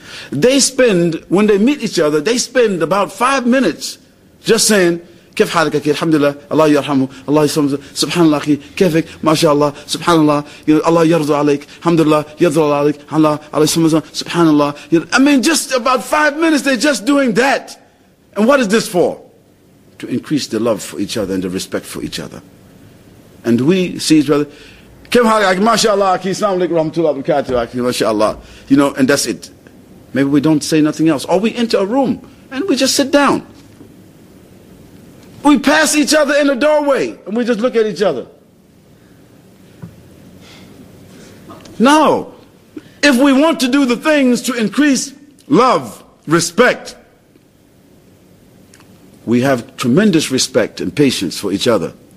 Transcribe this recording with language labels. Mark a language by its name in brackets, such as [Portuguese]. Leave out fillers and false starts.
[English] When they meet each other, they spend about 5 minutes just saying, [Arabic] كيف حالك أخي الحمد لله الله يرحمه الله يسلمه سبحان الله أخي كيفك ما شاء الله سبحان الله الله يرضى عليك الحمد لله يرضى عليك الله الله يسلمه سبحان الله. [English] I mean, just about 5 minutes, they're just doing that. And what is this for? To increase the love for each other and the respect for each other. And we see each other, [Arabic] كيف حالك MashaAllah, أخي السلام عليكم ورحمة الله وبركاته أخي MashaAllah. [English] You know, and that's it. Maybe we don't say nothing else. Or we enter a room and we just sit down. We pass each other in the doorway and we just look at each other. No. If we want to do the things to increase love, respect, we have tremendous respect and patience for each other.